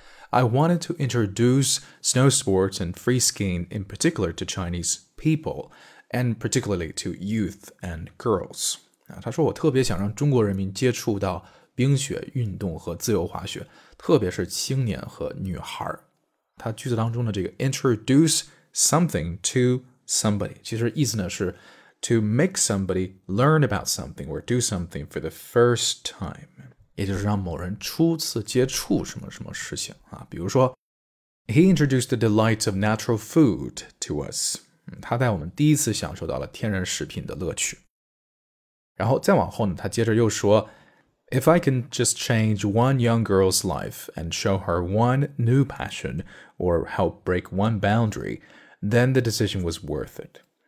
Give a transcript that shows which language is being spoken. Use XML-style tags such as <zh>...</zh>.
<en>I wanted to introduce snow sports and free skiing in particular to Chinese people, and particularly to youth and girls.</en> <zh>他说我特别想让中国人民接触到冰雪运动和自由滑雪，特别是青年和女孩。他句子当中的这个</zh> <en>introduce something to somebody，</en> <zh>其实意思呢是</zh> <en>to make somebody learn about something or do something for the first time.</en> <zh>也就是让某人初次接触什么什么事情啊，比如说</zh> <en>He introduced the delights of natural food to us、</en> <zh>他带我们第一次享受到了天然食品的乐趣。然后再往后呢，他接着又说</zh> <en>If I can just change one young girl's life and show her one new passion or help break one boundary, then the decision was worth it、</en>